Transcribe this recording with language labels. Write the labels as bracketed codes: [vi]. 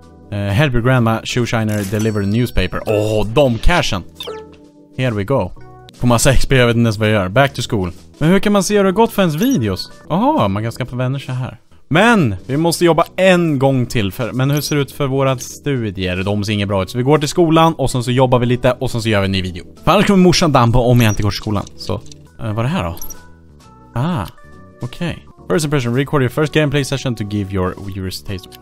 [en] Help your grandma, shoeshiner, deliver newspaper. [sv] Åh, de cashen. [en] Here we go. [sv] På massa XP, jag vet inte ens vad jag gör. [en] Back to school. [sv] Men hur kan man se hur det har gått för ens videos? Jaha, man kan skaffa vänner så här. Men, vi måste jobba en gång till. Men hur ser det ut för våra studier? De ser inget bra ut. Så vi går till skolan och sen så jobbar vi lite och sen så gör vi en ny video. För annars kommer morsan dampa om jag inte går till skolan. Så, vad är det här då? Ah, okej. Okay. [en] First impression, record your first gameplay session to give your viewers taste.